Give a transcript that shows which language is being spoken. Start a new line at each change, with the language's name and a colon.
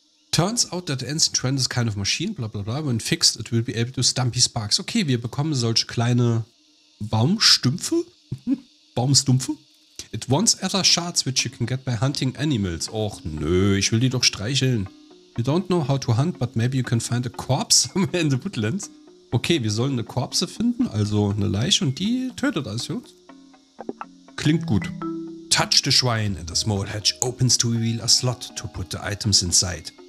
English: Turns out that the ancient shrine is kind of machine, blah blah blah. When fixed, it will be able to stumpy sparks.
German: Okay, wir bekommen solche kleine Baumstümpfe? Baumstümpfe?
English: It wants other shards which you can get by hunting animals.
German: Och nö, ich will die doch streicheln.
English: You don't know how to hunt, but maybe you can find a corpse somewhere in the woodlands.
German: Okay, wir sollen eine Korpse finden, also eine Leiche, und die tötet das jetzt. Klingt gut.
English: Touch the shrine and a small hatch opens to reveal a slot to put the items inside.